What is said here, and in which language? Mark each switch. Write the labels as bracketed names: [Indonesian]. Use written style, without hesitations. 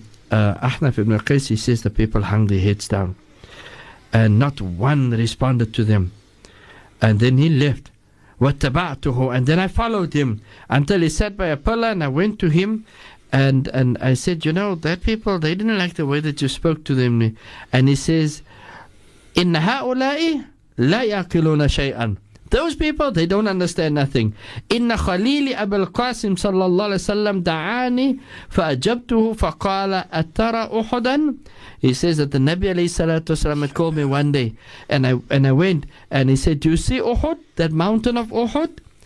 [English] Ahnaf ibn Qais, he says, the people hung their heads down, and not one responded to them. And then he left. [Arabic] وَتَبَعْتُهُ, [English] and then I followed him until he sat by a pillar, and I went to him and I said, you know, that people, they didn't like the way that you spoke to them. And he says, [Arabic] إِنَّ هَؤُلَاءِ لَا يَعْقِلُونَ شَيْئًا. [English] Those people, they don't understand nothing. [Arabic] إِنَّ خَلِيلِ أَبَ الْقَاسِمِ صَلَّى اللَّهُ عَلَيْهِ وَسَلَّمْ دَعَانِي فَأَجَبْتُهُ فَقَالَ أَتَرَ أُحُدًا. [English] He says that the Nabi alayhi salatu wasalam had called me one day, and I went, and he said, do you see Uhud, that mountain of Uhud?